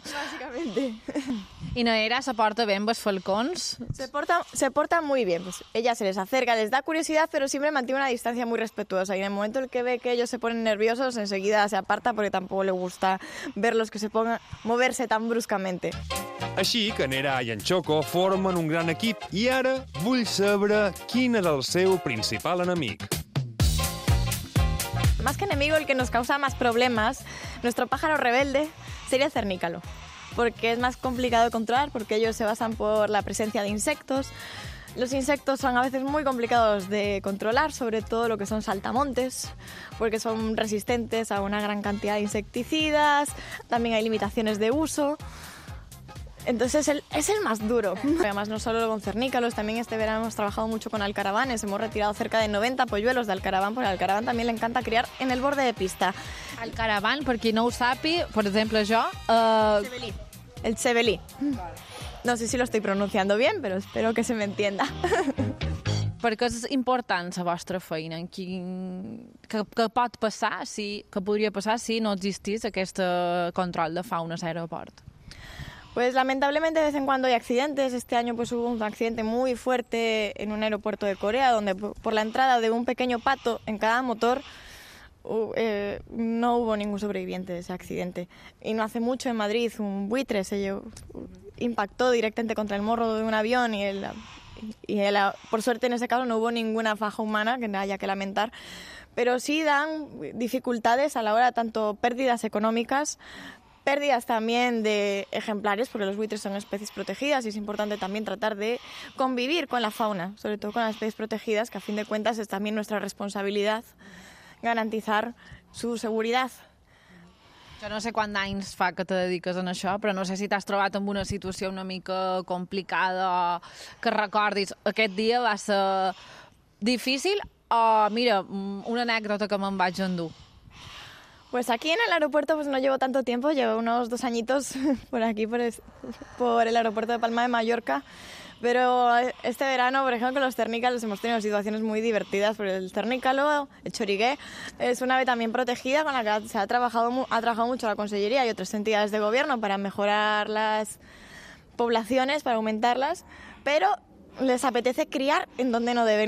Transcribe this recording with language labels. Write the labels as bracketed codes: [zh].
[es] Básicamente. ¿Y Noera se porta bien los falcons? Se porta muy bien. Pues ella se les acerca, les da curiosidad, pero siempre mantiene una distancia muy respetuosa. Y en el momento en el que ve que ellos se ponen nerviosos, enseguida se aparta, porque tampoco le gusta verlos que se pongan moverse tan bruscamente. [ca] Així que Noera i en Choco formen un gran equip i ara vull saber quin és el seu principal enemic. [es] Más que enemigo, el que nos causa más problemas, nuestro pájaro rebelde, sería cernícalo. Porque es más complicado de controlar, porque ellos se basan por la presencia de insectos. Los insectos son a veces muy complicados de controlar, sobre todo lo que son saltamontes, porque son resistentes a una gran cantidad de insecticidas, también hay limitaciones de uso. Entonces es el más duro. Además, no solo con cernícalos, también este verano hemos trabajado mucho con alcaravanes. Hemos retirado cerca de 90 polluelos de alcaraván, porque al alcaraván también le encanta criar en el borde de pista. [ca] Alcaraván, per qui no ho sapi, per exemple, jo... El chevelí. [es] No sé si lo estoy pronunciando bien, pero espero que se me entienda. [ca] Per què és important la vostra feina? Què podria passar si no existís aquest control de fauna a l'aeroport? [es] Pues lamentablemente de vez en cuando hay accidentes. Este año, pues, hubo un accidente muy fuerte en un aeropuerto de Corea, donde por la entrada de un pequeño pato en cada motor no hubo ningún sobreviviente de ese accidente. Y no hace mucho en Madrid un buitre impactó directamente contra el morro de un avión y por suerte en ese caso no hubo ninguna faja humana que haya que lamentar. Pero sí dan dificultades a la hora, tanto pérdidas económicas, pérdidas también de ejemplares, porque los buitres son especies protegidas y es importante también tratar de convivir con la fauna, sobre todo con las especies protegidas, que a fin de cuentas es también nuestra responsabilidad garantizar su seguridad. [ca] Jo no sé quant d'anys fa que te dediques a això, però no sé si t'has trobat en una situació una mica complicada que recordis. Aquest dia va ser difícil o, mira, una anècdota que me'n vaig endur. [es] Pues aquí en el aeropuerto, pues, no llevo tanto tiempo, llevo unos 2 añitos por aquí, por el aeropuerto de Palma de Mallorca, Pero este verano, por ejemplo, con los cernícalos hemos tenido situaciones muy divertidas, porque el cernícalo, el chorigué, es un ave también protegida con la que se ha trabajado mucho la consellería y otras entidades de gobierno para mejorar las poblaciones, para aumentarlas, pero les apetece criar en donde no deben.